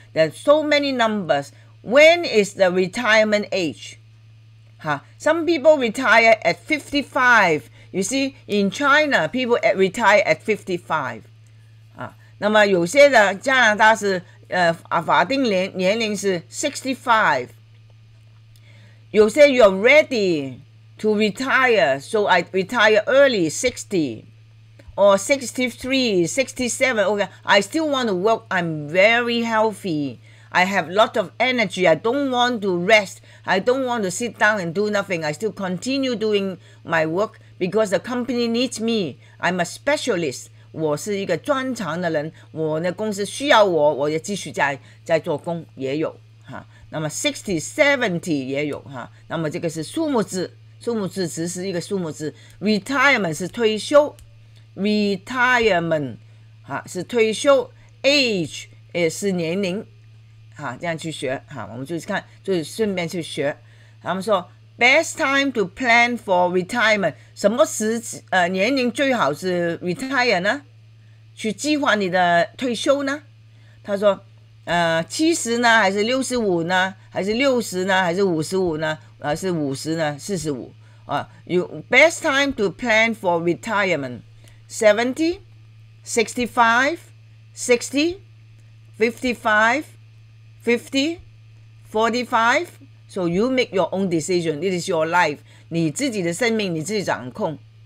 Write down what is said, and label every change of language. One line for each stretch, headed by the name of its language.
English: There are so many numbers. When is the retirement age? 好 ，some people retire at 55. You see, in China, people retire at 55.
Chinese: 那么有些的加拿大是法定年龄是 65.
English: You say you're ready to retire, so I retire early, 60. Or 63, 67, okay. I still want to work. I'm very healthy. I have lot of energy. I don't want to rest. I don't want to sit down and do nothing. I still continue doing my work. Because the company needs me, I'm a specialist.
Chinese: 我是一个专长的人，我的公司需要我，我也继续在做工，也有哈。那么 60, 70 也有哈。那么这个是数目字只是一个数目字。 Retirement 是退休 ，retirement 哈是退休 ，age 也是年龄，哈这样去学哈，我们就看，就顺便去学。他们说。
English: Best time to plan for retirement.
Chinese: 什么时年龄最好是 retire 呢？去计划你的退休呢？他说，70呢，还是65呢？还是60呢？还是55呢？还是50呢？45？
English: Best time to plan for retirement, 70, 65, 60, 55, 50, 45. So you make your own decision. It is your life.
Chinese: 你自己的生命你自己掌控。